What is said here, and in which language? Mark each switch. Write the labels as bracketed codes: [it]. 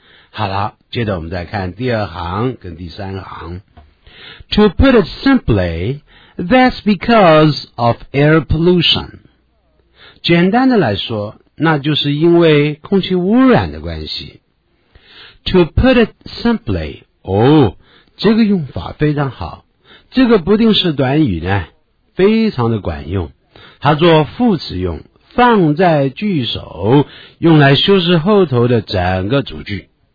[zh] 好了，接着我们再看第二行跟第三行。 [en] To put it simply, that's because of air pollution. [zh] 简单的来说，那就是因为空气污染的关系。 [en] To put it simply, [zh] 哦，这个用法非常好，这个不定式短语呢非常的管用，它做副词用，放在句首，用来修饰后头的整个主句。